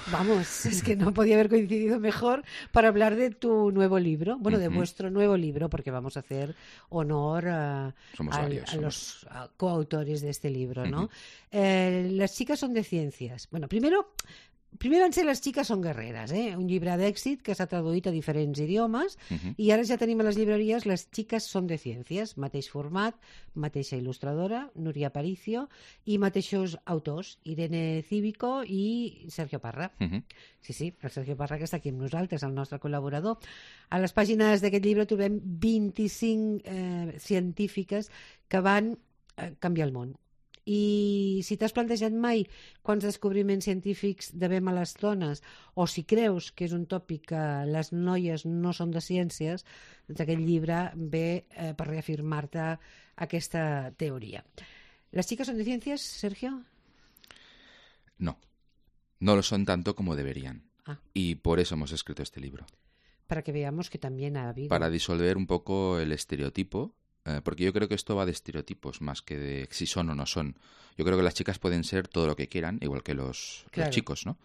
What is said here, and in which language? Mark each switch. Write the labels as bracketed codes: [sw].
[es] Vamos, es que no podía haber coincidido mejor para hablar de tu nuevo libro, bueno, uh-huh. de vuestro nuevo libro, porque vamos a hacer honor a los coautores de este libro, ¿no? Uh-huh. Las chicas son de ciencias. Bueno, primero antes las chicas son guerreras, ¿eh? [ca] Un llibre d'èxit que s'ha traduït a diferents idiomes uh-huh. i ara ja tenim a les llibreries Les xiques són de ciències, mateix format, mateixa il·lustradora, Núria Aparicio, i mateixos autors, Irene Cívico i Sergio Parra. Uh-huh. Sí, sí, el Sergio Parra que està aquí amb nosaltres, el nostre col·laborador. A les pàgines d'aquest llibre trobem 25 científiques que van canviar el món. I si t'has plantejat mai quants descobriments científics devem a les dones, o si creus que és un tòpic que les noies no són de ciències, doncs aquest llibre ve per reafirmar-te aquesta teoria. ¿Les xiques són de ciències, Sergio? [es] No. No lo son tanto como deberían. Ah. Y por eso hemos escrito este libro. Para que veamos que también ha habido... Para disolver un poco el estereotipo... Porque yo creo que esto va de estereotipos más que de si son o no son. Yo creo que las chicas pueden ser todo lo que quieran, igual que los chicos, ¿no?